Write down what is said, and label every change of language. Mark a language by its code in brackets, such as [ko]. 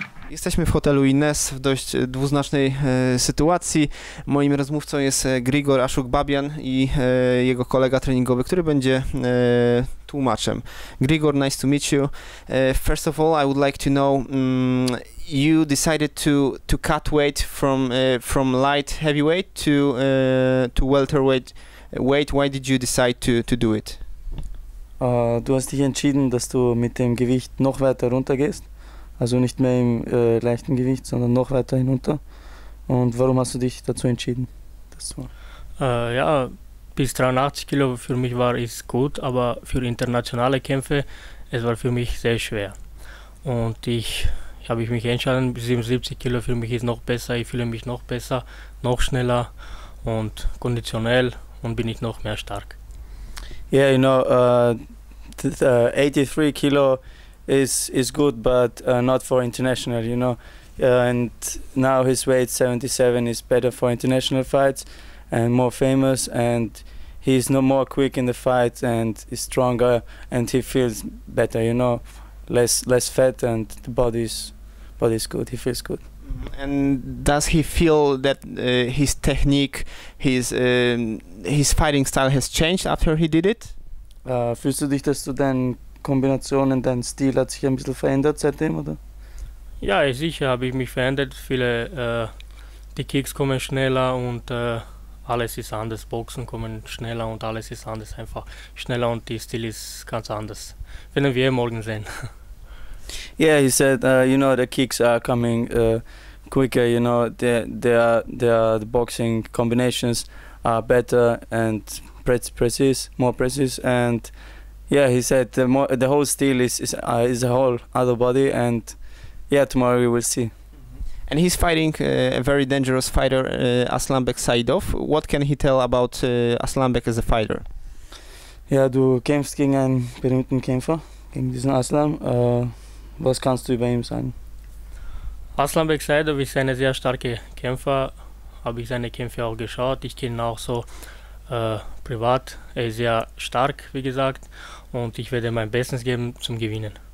[pl] Jesteśmy w hotelu Ines w dość dwuznacznej sytuacji. Moim rozmówcą jest Grigor Aszuk-Babian i jego kolega treningowy, który będzie tłumaczem. [en] Grigor, nice to meet you. First of all, I would like to know, you decided to cut weight from light heavyweight to welterweight weight. Why did you decide to do it? [de] Du hast dich entschieden, dass du mit dem Gewicht noch weiter runter gehst. Also nicht mehr im leichten Gewicht, sondern noch weiter hinunter. Und warum hast du dich dazu entschieden, das zu machen? Ja, bis 83 Kilo für mich war es gut, aber für internationale Kämpfe, es war für mich sehr schwer. Und ich habe ich mich entschieden, 77 Kilo für mich ist noch besser, ich fühle mich noch besser, noch schneller und konditionell und bin ich noch mehr stark. [en] Yeah, you know, 83 kilo is good, but not for international, you know. And now his weight 77 is better for international fights and more famous, and he's no more quick in the fight and is stronger and he feels better, you know, less fat, and the body's good, he feels good. And does he feel that his technique, his fighting style has changed after he did it? [de] Fühlst du dich, dass du deine Kombinationen, dein Stil hat sich ein bisschen verändert seitdem, oder? Ja, sicher habe ich mich verändert. Viele, die Kicks kommen schneller und alles ist anders. Boxen kommen schneller und alles ist anders. Einfach schneller und der Stil ist ganz anders. Werden wir morgen sehen. [en] Yeah, he said, you know, the kicks are coming quicker, you know, the boxing combinations are better and more precise, and yeah, he said the whole steel is a whole other body, and yeah, tomorrow we will see. And he's fighting a very dangerous fighter, Aslanbek Saidov. What can he tell about Aslanbek as a fighter? [de] Ja, du kämpfst gegen einen berühmten Kämpfer, gegen diesen Aslan. Was kannst du über ihn sagen? Aslanbek Saidov ist ein sehr starker Kämpfer, habe ich seine Kämpfe auch geschaut. Ich kenne ihn auch so privat. Er ist sehr stark, wie gesagt, und ich werde mein Bestes geben zum Gewinnen.